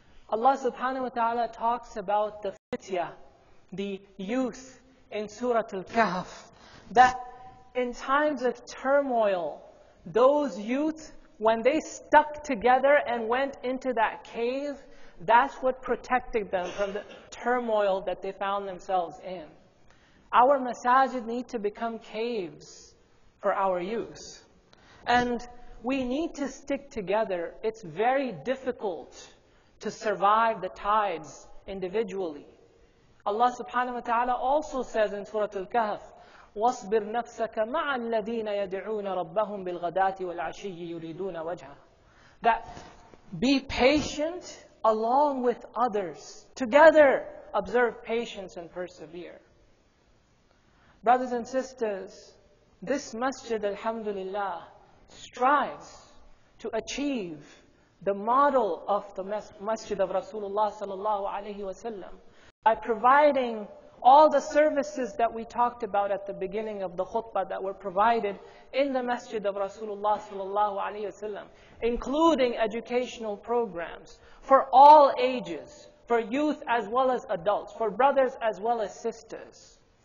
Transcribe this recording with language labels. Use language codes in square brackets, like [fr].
[en] Allah subhanahu wa ta'ala talks about the fitya, the youth in Surah Al-Kahf, that in times of turmoil, those youth, when they stuck together and went into that cave, that's what protected them from the turmoil that they found themselves in. Our masajid need to become caves for our youth. And we need to stick together. It's very difficult to survive the tides individually. Allah subhanahu wa ta'ala also says in Surah Al-Kahf, [ar] وَاصْبِرْ نَفْسَكَ مَعَ الَّذِينَ يَدْعُونَ رَبَّهُمْ بِالْغَدَاتِ وَالْعَشِيِّ يُرِيدُونَ وَجْهَهُ. [en] That be patient along with others. Together, observe patience and persevere. Brothers and sisters, this masjid, alhamdulillah, strives to achieve the model of the masjid of Rasulullah sallallahu alayhi wa sallam by providing all the services that we talked about at the beginning of the khutbah that were provided in the masjid of Rasulullah sallallahu alayhi wa sallam, including educational programs for all ages, for youth as well as adults, for brothers as well as sisters.